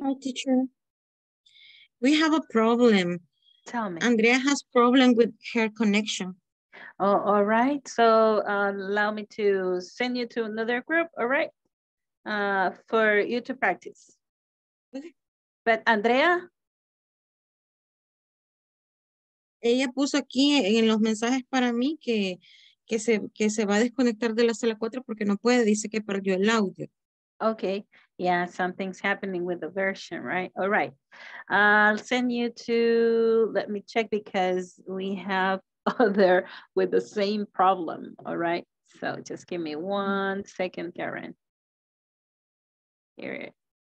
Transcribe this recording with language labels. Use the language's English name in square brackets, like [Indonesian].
[English] Hi, teacher. We have a problem. Tell me. Andrea has a problem with her connection. Oh, all right. So allow me to send you to another group, all right, for you to practice. Okay. But Andrea? [Spanish] Ella puso aquí en los mensajes para mí que se va a desconectar de la sala 4 porque no puede, dice que perdió el audio. [English] Okay, yeah, something's happening with the version, right? All right, I'll send you to, let me check because we have other with the same problem, all right? So just give me 1 second, Karen. Here it.